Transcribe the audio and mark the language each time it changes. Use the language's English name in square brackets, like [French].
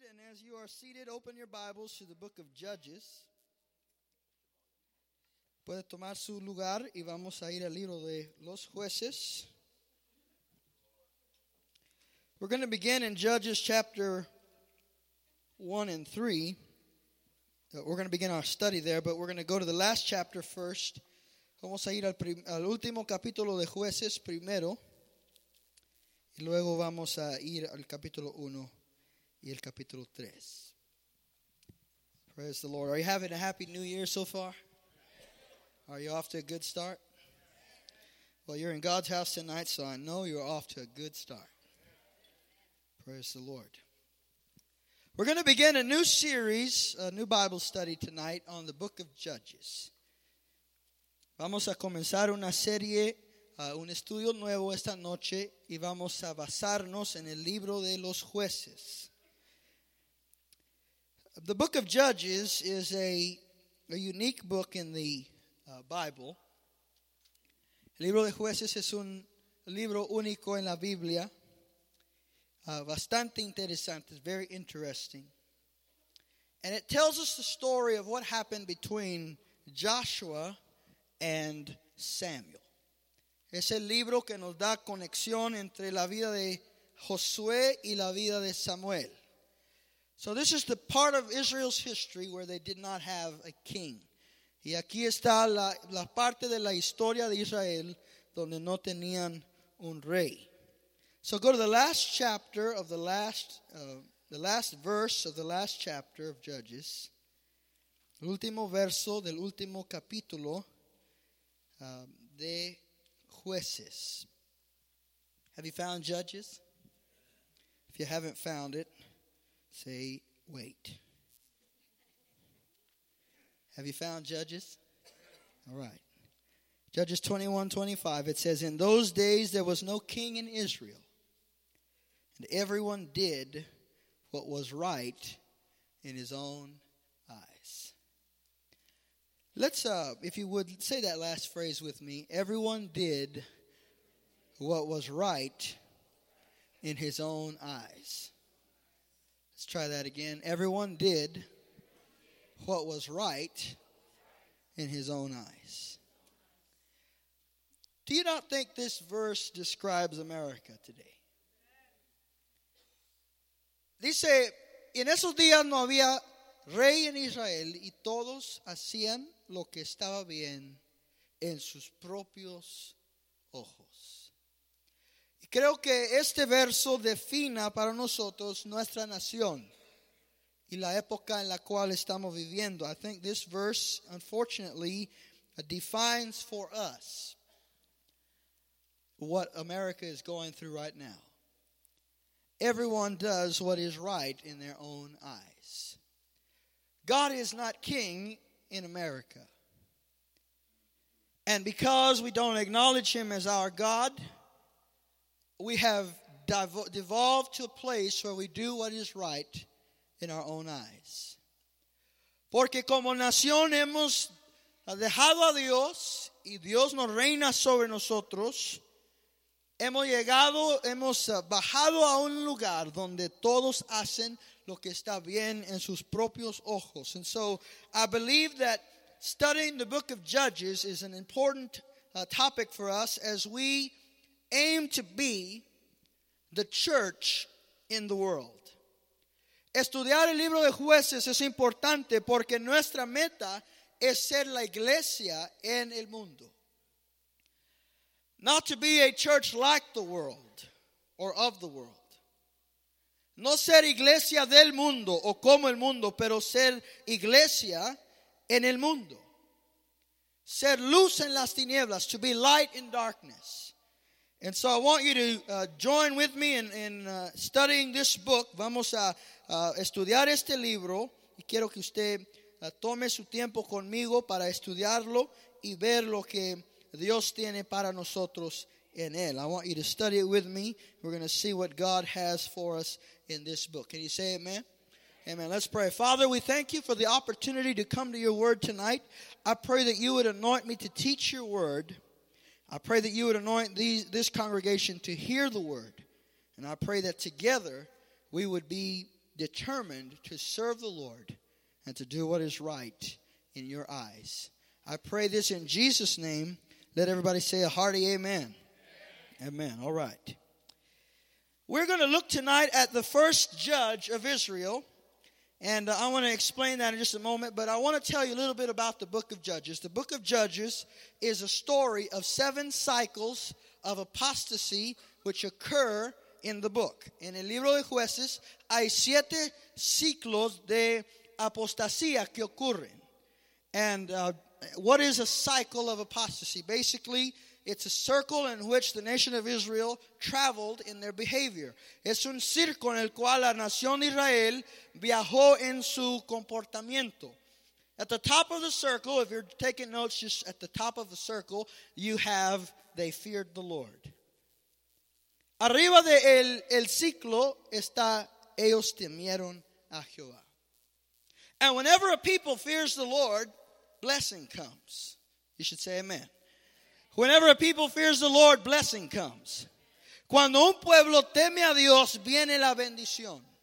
[English] as you are seated, open your Bibles to the book of Judges. [Spanish] Puede tomar su lugar y vamos a ir al libro de los jueces. [English] We're going to begin in Judges chapter 1 and 3. We're going to begin our study there, but we're going to go to the last chapter first. [Spanish] Vamos a ir al último capítulo de jueces primero. Y luego vamos a ir al capítulo 1. Y el capítulo tres. [English] Praise the Lord. Are you having a happy new year so far? Are you off to a good start? Well, you're in God's house tonight, so I know you're off to a good start. Praise the Lord. We're going to begin a new series, a new Bible study tonight on the book of Judges. [Spanish] Vamos a comenzar una serie, un estudio nuevo esta noche, y vamos a basarnos en el libro de los jueces. [English] The book of Judges is a unique book in the Bible. El libro de jueces es un libro único en la Biblia. [Spanish] Bastante interesante, [English] it's very interesting. And it tells us the story of what happened between Joshua and Samuel. [Spanish] Es el libro que nos da conexión entre la vida de Josué y la vida de Samuel. [English] So this is the part of Israel's history where they did not have a king. [Spanish] Y aquí está la parte de la historia de Israel donde no tenían un rey. [English] So go to the last chapter of the last verse of the last chapter of Judges. [Spanish] El último verso del último capítulo de Jueces. [English] Have you found Judges? If you haven't found it, say, wait. Have you found Judges? All right. Judges 21:25, it says, in those days there was no king in Israel, and everyone did what was right in his own eyes. Let's, if you would, say that last phrase with me. Everyone did what was right in his own eyes. Let's try that again. Everyone did what was right in his own eyes. Do you not think this verse describes America today? [Spanish] Dice, en esos días no había rey en Israel y todos hacían lo que estaba bien en sus propios ojos. Creo que este verso defina para nosotros nuestra nación y la época en la cual estamos viviendo. [English] I think this verse, unfortunately, defines for us what America is going through right now. Everyone does what is right in their own eyes. God is not king in America. And because we don't acknowledge him as our God, we have devolved to a place where we do what is right in our own eyes. [Spanish] Porque como nación hemos dejado a Dios y Dios no reina sobre nosotros, hemos bajado a un lugar donde todos hacen lo que está bien en sus propios ojos. [English] And so I believe that studying the book of Judges is an important topic for us as we aim to be the church in the world. [Spanish] Estudiar el libro de jueces es importante porque nuestra meta es ser la iglesia en el mundo. [English] Not to be a church like the world or of the world. [Spanish] No ser iglesia del mundo o como el mundo, pero ser iglesia en el mundo. Ser luz en las tinieblas, [English] to be light in darkness. And so I want you to join with me in studying this book. [Spanish] Vamos a estudiar este libro. Y quiero que usted tome su tiempo conmigo para estudiarlo y ver lo que Dios tiene para nosotros en él. [English] I want you to study it with me. We're going to see what God has for us in this book. Can you say amen? Amen. Let's pray. Father, we thank you for the opportunity to come to your word tonight. I pray that you would anoint me to teach your word. I pray that you would anoint this congregation to hear the word. And I pray that together we would be determined to serve the Lord and to do what is right in your eyes. I pray this in Jesus' name. Let everybody say a hearty amen. Amen. All right. We're going to look tonight at the first judge of Israel. And I want to explain that in just a moment. But I want to tell you a little bit about the book of Judges. The book of Judges is a story of seven cycles of apostasy which occur in the book. [Spanish] En el libro de Jueces hay siete ciclos de apostasía que ocurren. [English] And what is a cycle of apostasy? Basically, it's a circle in which the nation of Israel traveled in their behavior. [Spanish] Es un circo en el cual la nación de Israel viajó en su comportamiento. [English] At the top of the circle, if you're taking notes, just at the top of the circle, you have they feared the Lord. [Spanish] Arriba de el ciclo está ellos temieron a Jehová. [English] And whenever a people fears the Lord, blessing comes. You should say amen. Whenever a people fears the Lord, blessing comes. [Spanish] Cuando un pueblo teme a Dios, viene la bendición.